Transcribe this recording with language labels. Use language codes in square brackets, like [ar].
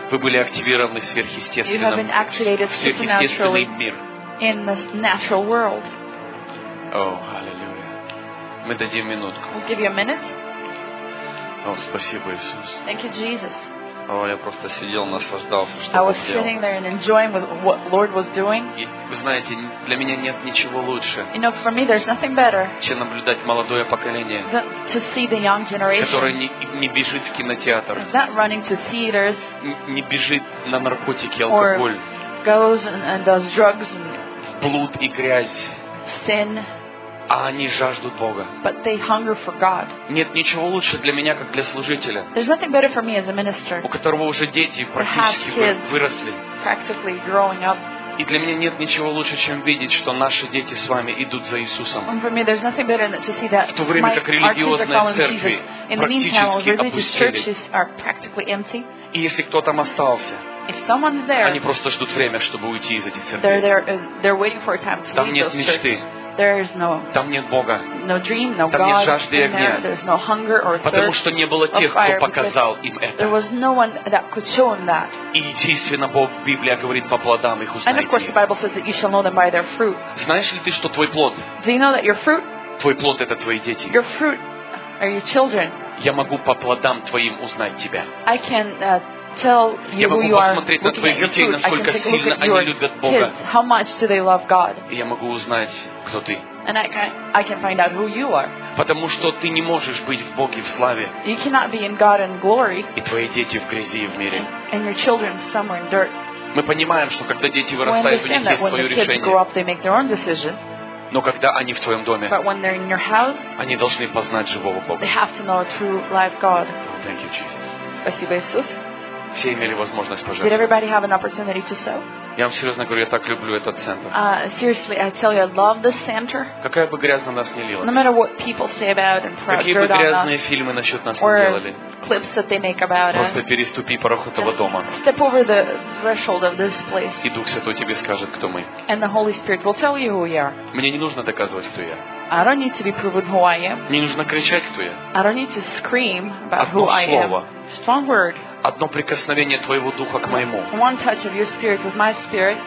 [ru] Вы были активированы сверхъестественным. [en] You have been activated [ru] сверхъестественный мир. [en] In the natural world. Oh, hallelujah. [ru] Мы дадим минутку. [en] We'll give you a minute. [ru] Oh, спасибо, Иисус. [en] Thank you, Jesus. [ru] О, я просто сидел, наслаждался, что Бог делал. [en] I was sitting there and enjoying what Lord was doing. [ru] Вы знаете, для меня нет ничего лучше. [en] You know, for me, there's nothing better. [ru] Чем наблюдать молодое поколение. [en] To see the young generation. [ru] Которое не бежит в кинотеатр. [en] Not running to theaters. [ru] Не бежит на наркотики, алкоголь. [en] Or goes and does drugs. [ru] Блуд и грязь. [en] Sin. [ru] А они жаждут Бога. [en] But they hunger for God. [ru] Нет ничего лучше для меня, как для служителя. [en] There's nothing better for me as a minister. [ru] У которого уже дети практически выросли. [en] Practically growing up. [ru] И для меня нет ничего лучше, чем видеть, что наши дети с вами идут за Иисусом. [en] And for me, there's nothing better than to see that [ru] в то время как религиозные церкви практически опустели. И если кто там остался, [en] If someone's there, [ru] они просто ждут время, чтобы уйти из этих церквей. [en] They're waiting for a time to [ru] там нет мечты. [en] Churches. There is no. [ru] Там нет Бога. [en] No dream, no [ru] Там [en] God. [ru] Нет жажды и огня. [en] There's no hunger or thirst. [ru] Потому что не было тех, кто показал им это. [en] There was no one that could show them that. [ru] И естественно, Бог, Библия говорит по плодам их узнаете. [en] And of course, the Bible says that you shall know them by their fruit. [ru] Знаешь ли ты, что твой плод? [en] Do you know that your fruit? [ru] Твой плод это твои дети. [en] Your fruit are your children. [ru] Я могу по плодам твоим узнать тебя. [en] I can tell you who you are. [ru] На твоих детей, насколько сильно они любят Бога. [en] How much do they love God? [ru] Я могу узнать. Кто ты? [en] And I can find out who you are. [ru] Потому что ты не можешь быть в Боге в славе. [en] You cannot be in God in glory. [ru] И твои дети в грязи и в мире. [en] And your children somewhere in dirt. [ru] Мы понимаем, что когда дети вырастают, у них есть свое решение. [en] When they grow up, they make their own decisions. [ru] Но когда они в твоем доме, [en] But when they're in your house, [ru] они должны познать живого Бога. [en] They have to know a true live God. Oh, thank you, Jesus. [ru] Спасибо, Иисус. Все имели возможность пожертвовать. [en] Did everybody have an opportunity to sow? [ru] Я вам серьезно говорю, я так люблю этот центр. [en] Seriously, I tell you, I love this center. [ru] Какая бы грязь на нас ни лилась. [en] No matter what people say about and throw [ru] Какие бы грязные фильмы насчет нас [en] or [ru] не делали. [en] Clips that they make about [ru] Просто [en] us. [ru] Переступи порог этого дома. [en] Step over the threshold of this place. [ru] И Дух Святой тебе скажет, кто мы. [en] And the Holy Spirit will tell you who we are. [ru] Мне не нужно доказывать, кто я. [en] I don't need to be proven who I am. [ru] Мне нужно кричать, кто я. [en] I don't need to scream about [ru] Одно [en] who [ru] слово. [en] I am. Strong word. [ru] Одно прикосновение твоего духа к моему. [en] One touch of your spirit with my spirit.